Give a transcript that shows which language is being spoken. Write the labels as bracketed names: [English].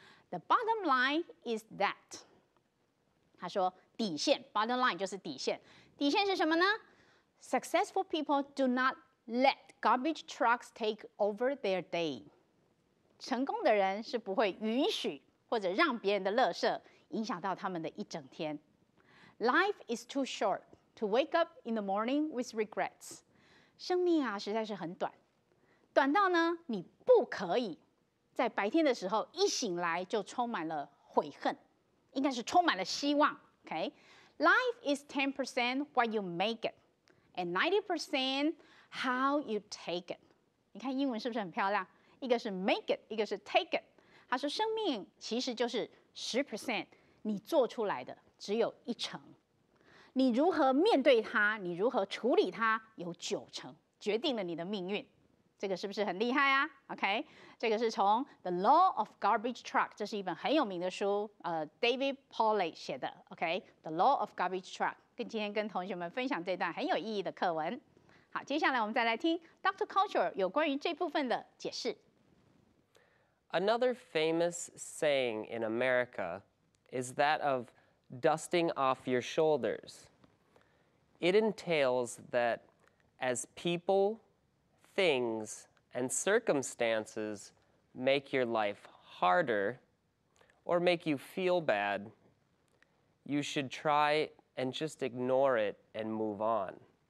[English] The bottom line is that， [Chinese] 他说底线 [English] ，bottom line [Chinese] 就是底线，底线是什么呢 [English] ？Successful people do not let garbage trucks take over their day。 [Chinese] 成功的人是不会允许或者让别人的垃圾影响到他们的一整天。 [English] Life is too short to wake up in the morning with regrets. [Chinese] 生命啊实在是很短，短到呢你不可以在白天的时候一醒来就充满了悔恨，应该是充满了希望。 [English] OK, Life is 10% what you make it and 90% how you take it。 [Chinese] 你看英文是不是很漂亮，一个是 make it, 一个是 take it。他说生命其实就是 10% 你做出来的只有一成，你如何面对它，你如何处理它，有九成决定了你的命运。这个是不是很厉害啊？OK, 这个是从 The Law of Garbage Truck, 这是一本很有名的书，David Pauley 写的。 OK, The Law of Garbage Truck, 跟今天跟同学们分享这段很有意义的课文。好，接下来我们再来听 Dr. Culture 有关于这部分的解释。 [English] Another famous saying in America is that of dusting off your shoulders. It entails that as people, things, and circumstances make your life harder or make you feel bad, you should try and just ignore it and move on.